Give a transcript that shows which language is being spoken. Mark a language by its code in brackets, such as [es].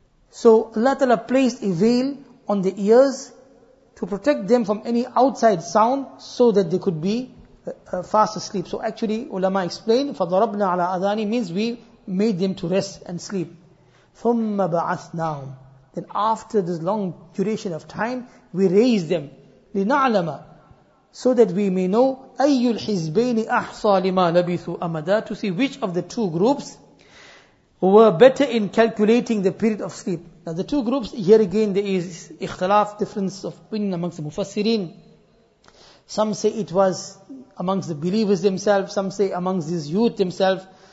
[en] So Allah Ta'ala placed a veil on the ears to protect them from any outside sound so that they could be fast asleep. So actually, ulama explained, [ar] فَضَرَبْنَا عَلَىٰ أَذَانِ [en] means we made them to rest and sleep. [ar] ثُمَّ بَعَثْنَاهُمْ. [en] Then after this long duration of time, we raised them. [ar] لِنَعْلَمَ. [en] So that we may know, [ar] أَيُّ الْحِزْبَيْنِ أَحْصَى لِمَا لَبِثُوا أَمَدًا. [en] To see which of the two groups were better in calculating the period of sleep. Now the two groups, here again there is ikhtilaf, difference of opinion amongst the mufassirin. Some say it was amongst the believers themselves, some say amongst these youth themselves.